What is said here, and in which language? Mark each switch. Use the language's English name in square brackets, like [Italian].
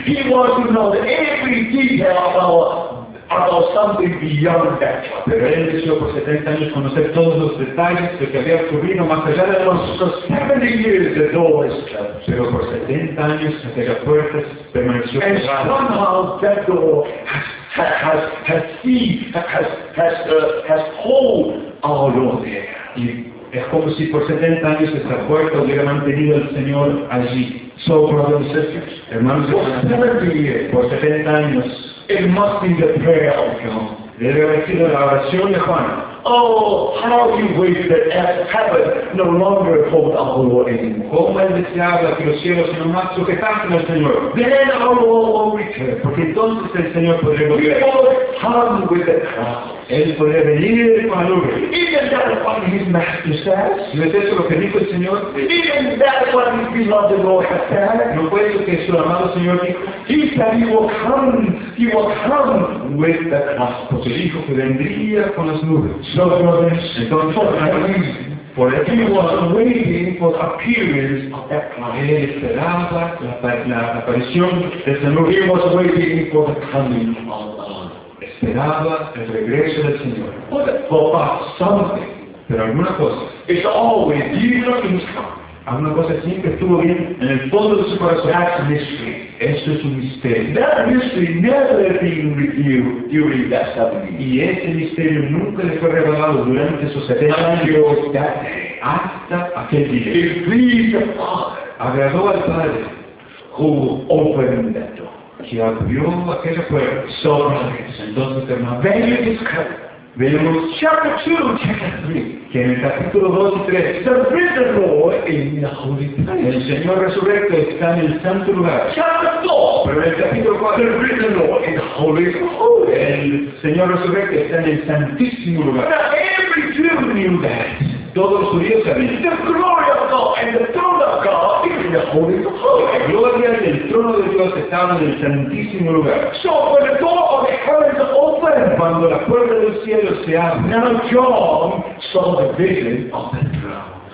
[English] He wants to know every detail of our about something beyond that. [Spanish] Pero él deseó por 70 años conocer todos los detalles de lo que había ocurrido más allá de los [English] 70 years the door is closed. [Spanish] Pero por 70 años aquella puerta permaneció cerrada. [English] And somehow that door has hold our Lord there. [Spanish] Y es como si por 70 años esta puerta hubiera mantenido al Señor allí. [English] So brothers and sisters, [Spanish] hermanos, por 70 años [English] it must be the prayer of John. [Spanish] Debe haber sido la oración de Juan. [English] Oh, how you wish that heaven no longer holds our Lord anymore. [Spanish] Como él deseaba que los cielos no más sujetasen al Señor. [English] Then our Lord will return. [Spanish] Porque entonces el Señor podría volver. [English] He will come with the cross. [Spanish] Él podría venir con la nube. [English] Even that what his master says. [Spanish] ¿No es eso lo que dijo el Señor? [English] Even that what his beloved Lord has said. [Spanish] ¿No fue eso que su amado Señor dijo? [English] He said he will come with the cross. [Spanish] Porque dijo que vendría con las nubes. [English] So brothers, for that reason, for he was waiting for the appearance of that cloud. [Spanish] Él esperaba la aparición de esa nube. [English] He was waiting for the coming of the Lord. [Spanish] Esperaba el regreso del Señor. [English] For something, [Spanish] pero alguna cosa. [English] It's always deeper in his heart. [Spanish] Alguna cosa siempre estuvo bien en el fondo de su corazón. [English] That's a mystery. [Spanish] Eso es un misterio. [English] That mystery never been revealed during that 7 years. [Spanish] Y ese misterio nunca le fue revelado durante esos 70 años. [English] That day. [Spanish] Hasta aquel día. [English] It pleased the Father. [Spanish] Agradó al Padre. [English] Who opened that door. [Spanish] Que abrió aquella puerta. [English] So brothers. [Spanish] Entonces, hermanos. [English] Then you discover. [Spanish] Vemos [English] chapter 2, chapter 3. [Spanish] Que en el capítulo 2 y 3, [English] the risen Lord in the holy place. [Spanish] El Señor resurrecto está en el santo lugar. [English] Chapter 4. [Spanish] Pero en el capítulo 4, [English] the risen Lord in the holy place. [Spanish] El Señor resurrecto está en el santísimo lugar. [English] Now every Jew knew that. [Spanish] Todos los judíos sabían. [English] The glory of God and the throne of God is in the holy place. [Spanish] La gloria y el trono de Dios estaban en el santísimo lugar. [English] So when the door of the heavens opened, [Spanish] cuando la puerta del cielo se abre, [English] now John saw the vision of the throne.